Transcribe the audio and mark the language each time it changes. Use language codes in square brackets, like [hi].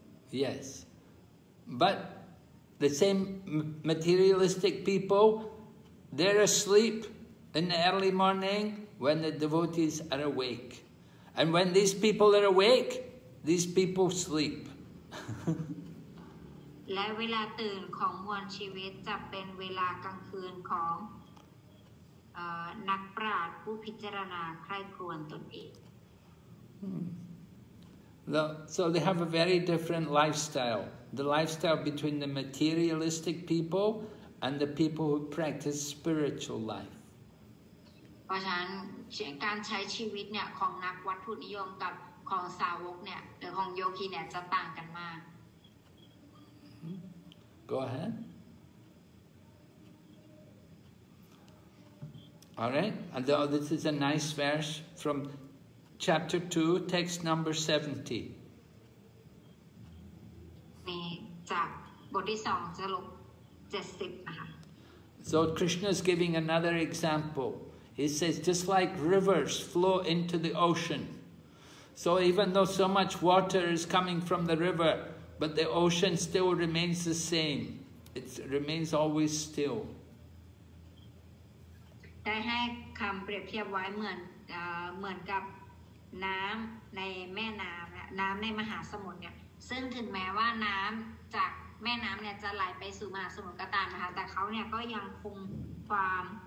[en] Yes. But the same materialistic people, they're asleep. In the early morning, when the devotees are awake. And when these people are awake, these people sleep. [th] และเวลาตื่นของมวลชีวิตจะเป็นเวลากลางคืนของนักปราชญ์ผู้พิจารณาใคร่ครวญตนเอง [en] So they have a very different lifestyle. The lifestyle between the materialistic people and the people who practice spiritual life. [th] เพราะฉะนั้นการใช้ชีวิตเนี่ยของนักวัตถุนิยมกับของสาวกเนี่ยหรือของโยคีเนี่ยจะต่างกันมาก [en] Go ahead. All right. And now this is a nice verse from chapter 2, text number 70. [th] นี่จากบทที่2สรุป70นะคะ [en] So Krishna is giving another example. He says, just like rivers flow into the ocean. So even though so much water is coming from the river, but the ocean still remains the same. It remains always still. [th] ได้ให้คำเปรียบเทียบไว้เหมือนกับน้ำในแม่น้ำน้ำในมหาสมุทรเนี่ยซึ่งถึงแม้ว่าน้ำจากแม่น้ำเนี่ยจะไหลไปสู่มหาสมุทรก็ตามนะคะแต่เขาเนี่ยก็ยังคงความ